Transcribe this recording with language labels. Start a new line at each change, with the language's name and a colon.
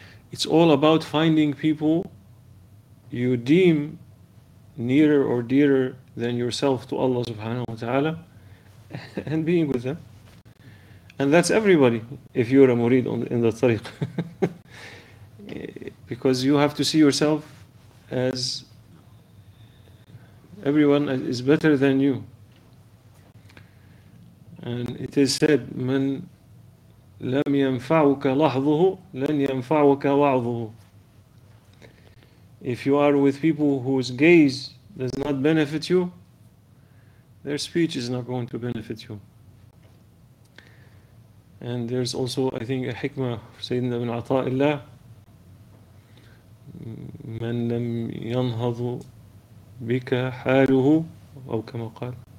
English: It's all about finding people you deem nearer or dearer than yourself to Allah subhanahu wa ta'ala and being with them. And that's everybody if you're a murid in the tariq. Because you have to see yourself as everyone is better than you. And it is said,
Arabic: من لم ينفعك لحظه لن ينفعك وعظه.
English: If you are with people whose gaze does not benefit you, their speech is not going to benefit you. And there's also, I think, a hikmah for Sayyidina ibn Ata'illah.
Arabic: من لم ينهض بك حاله أو كما قال.